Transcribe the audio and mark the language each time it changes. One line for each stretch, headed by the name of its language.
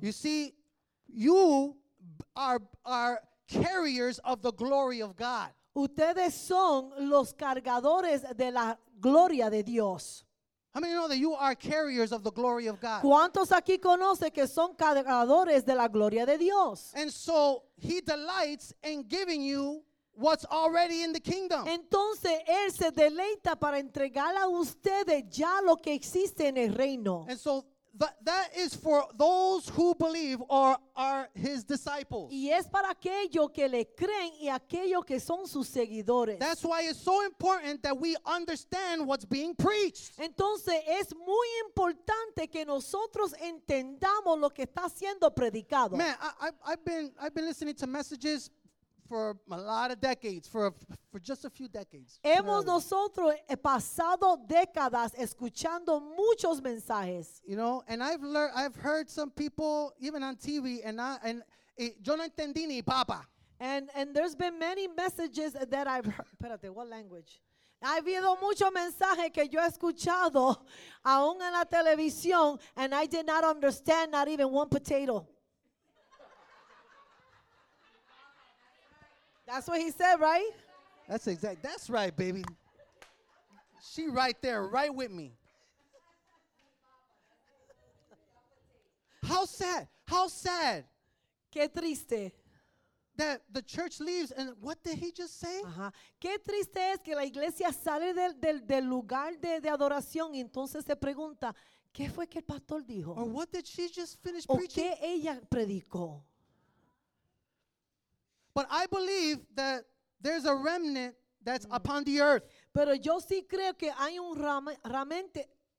English: You see, you are carriers of the glory of God.
Spanish: Ustedes son los cargadores de la gloria de Dios.
English: How many know that you are carriers of the glory of God?
Spanish: ¿Cuántos aquí conocen que son cargadores de la gloria de Dios?
English: And so he delights in giving you what's already in the kingdom.
Spanish: Entonces él se deleita para entregar a ustedes ya lo que existe en el reino.
English: And so that is for those who believe or are his disciples.
Spanish: Y es para aquellos que le creen y aquellos que son sus seguidores.
English: That's why it's so important that we understand what's being preached.
Spanish: Entonces es muy importante que nosotros entendamos lo que está siendo predicado.
English: Man, I've been listening to messages for a lot of decades, for just a few decades.
Spanish: Hemos nosotros pasado décadas escuchando muchos mensajes.
English: You know, and I've heard some people even on TV,
Spanish: yo no entendí ni papa.
English: And there's been many messages that I've heard.
Spanish: Espérate,
English: what language?
Spanish: Ha habido muchos mensajes que yo he escuchado, aún en la televisión,
English: and I did not understand not even one potato. That's what he said, right? That's right, baby. She right there, right with me. How sad. How sad.
Spanish: Qué triste.
English: That the church leaves, and what did he just say? Uh-huh.
Spanish: Qué triste es que la iglesia sale del lugar de adoración, y entonces se pregunta, ¿qué fue que el pastor dijo?
English: Or what did she just finish preaching?
Spanish: ¿O qué ella predicó?
English: But I believe that there's a remnant that's upon the earth.
Spanish: Pero yo sí creo que hay un remanente.